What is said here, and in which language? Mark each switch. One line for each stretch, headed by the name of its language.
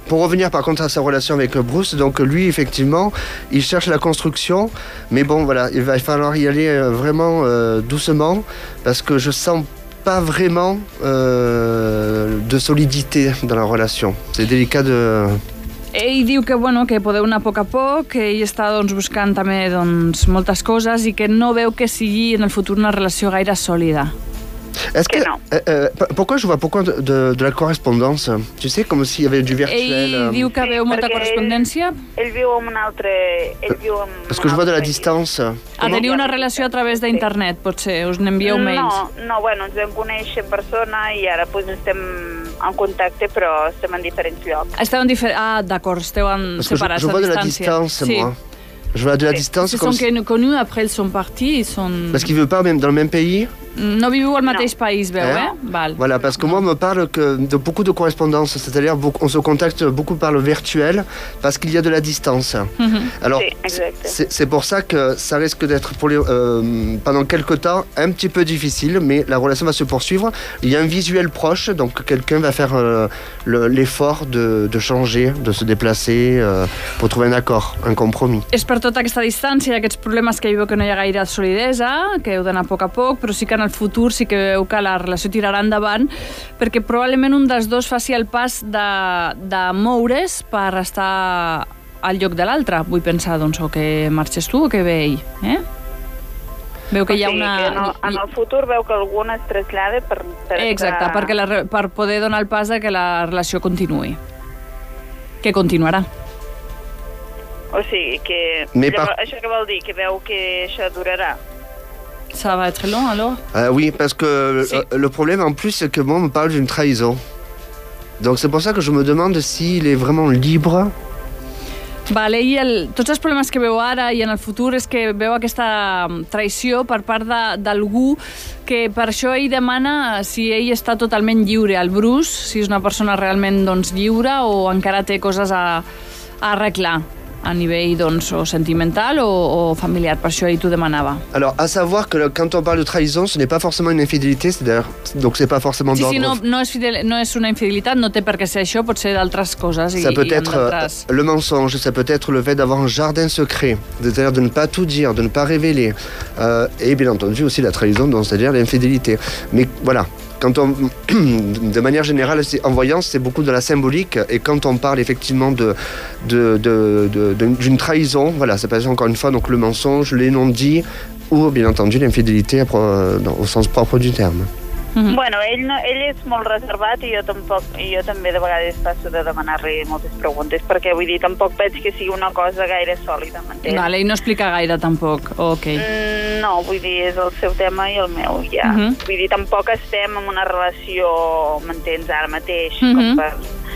French: Pour revenir par contre à sa relation avec Bruce, donc lui, effectivement, il cherche la construction, mais bon, voilà, il va falloir y aller vraiment doucement, parce que je sens pas vraiment de solidité dans la relation. C'est délicat de...
Catalan: Ell diu que, bueno, que podeu anar a poc, que ell està doncs, buscant també doncs, moltes coses i que no veu que sigui en el futur una relació gaire sòlida. Es que no.
French: Pourquoi je vois pourquoi de la correspondance? Tu sais, comme s'il y avait du virtuel.
Catalan: Ell diu que veu molta correspondència. Ell viu amb un altre...
French: Parce que je vois de la distance.
Catalan: Ha de tenir una relació a través d'internet, potser. Us n'envieu mails. No, bueno, ens vam conèixer en persona i ara pues, estem en contacte, però estem en diferents llocs. Esteu en diferents... Ah, d'acord, esteu en separats a distància.
French: Je vois de la distance, moi. Je vois de la distance. Ils se sont connus, après ils sont partis, ils sont... Parce qu'ils ne veulent pas même dans le même pays.
Catalan: No viviu al mateix país, veu, eh? Val.
French: Voilà, parce que moi me parle que de beaucoup de correspondances, c'est-à-dire on se contacte beaucoup par le virtuel, parce qu'il y a de la distance. Mm-hmm. Alors,
Catalan: sí,
French: c'est pour ça que ça risque d'être pendant quelques temps un petit peu difficile, mais la relation va se poursuivre. Il y a un visuel proche, donc quelqu'un va faire l'effort de changer, de se déplacer pour trouver un accord, un compromis.
Catalan: És per tota aquesta distància i aquests problemes que hi veu que no hi ha gaire solidesa, que heu d'anar a poc, però sí que en el futur sí que veu que la relació tirarà endavant, perquè probablement un dels dos faci el pas de moure's per estar al lloc de l'altre. Vull pensar, doncs, o que marxes tu o que ve ell, eh? Veu que o sigui, hi ha una... En el futur veu que algú es trasllada per... Exacte, per poder donar el pas a que la relació continuï. Que continuarà. O sigui, que... això què vol dir? Que veu que això durarà?
French: Ça va être long, alors? Oui, parce que le problème, en plus, c'est que moi, on me parle d'une trahison. Donc, c'est pour ça que je me demande s'il est vraiment libre.
Catalan: Vale, i tots els problemes que veu ara i en el futur és que veu aquesta traïció per part d'algú que per això ell demana si ell està totalment lliure, el Bruce, si és una persona realment doncs, lliure o encara té coses a arreglar.
French: À niveau donc sentimental ou familial, parce que tout demandait. Alors, à savoir que quand on parle de trahison, ce n'est pas forcément une infidélité, c'est d'ailleurs donc c'est pas forcément. Si non, c'est une infidélité, non, c'est parce que c'est chaud, c'est d'autres choses. Ça peut être le mensonge, ça peut être le fait d'avoir un jardin secret, c'est-à-dire de ne pas tout dire, de ne pas révéler, et bien entendu aussi la trahison, donc c'est-à-dire l'infidélité. Mais voilà. Quand on, de manière générale, en voyance, c'est beaucoup de la symbolique. Et quand on parle effectivement d'une trahison, voilà, ça passe encore une fois donc le mensonge, les non-dits ou bien entendu l'infidélité au sens propre du terme. Mm-hmm.
Catalan: Bueno, ell és molt reservat i jo també de vegades passo de demanar-li moltes preguntes perquè vull dir, tampoc veig que sigui una cosa gaire sòlida, m'entens? Vale, ell no explica gaire tampoc, ok. No, vull dir, és el seu tema i el meu, ja. Mm-hmm. Vull dir, tampoc estem en una relació, m'entens, ara mateix, mm-hmm.